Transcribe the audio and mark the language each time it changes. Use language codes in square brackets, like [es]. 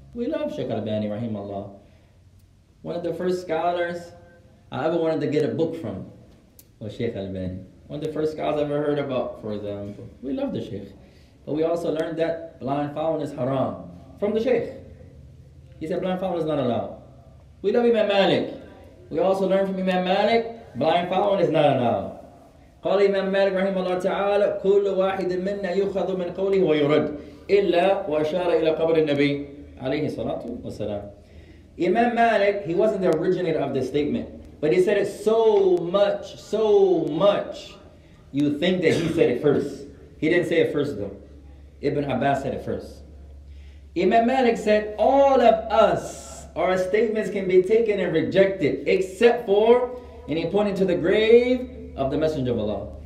[en] We love Sheikh Al-Bani, rahimahullah. One of the first scholars I ever wanted to get a book from was Sheikh Al-Bani. One of the first scholars I ever heard about, for example. We love the Sheikh. But we also learned that blindfolding is haram from the Sheikh. He said blindfolding is not allowed. We love Imam Malik. We also learned from Imam Malik, blindfolding is not allowed. [ar] قال إمام مالك رحمه الله تعالى كل واحد منا يؤخذ من قوله ويرد إلا وأشار إلى قبر النبي عليه الصلاة والسلام. [en] Imam Malik, he wasn't the originator of this statement, but he said it so much. You think that he said it first? He didn't say it first though. Ibn Abbas said it first. Imam Malik said, all of us, our statements can be taken and rejected except for, and he pointed to the grave of the Messenger of Allah.